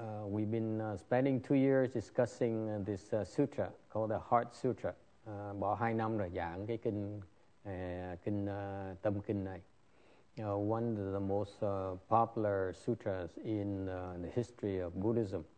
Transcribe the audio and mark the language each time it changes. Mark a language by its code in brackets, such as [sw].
[en] We've been spending 2 years discussing this sutra called the Heart Sutra. [vi] Bỏ 2 năm rồi giảng cái kinh tâm kinh này. [en] One of the most popular sutras in the history of Buddhism.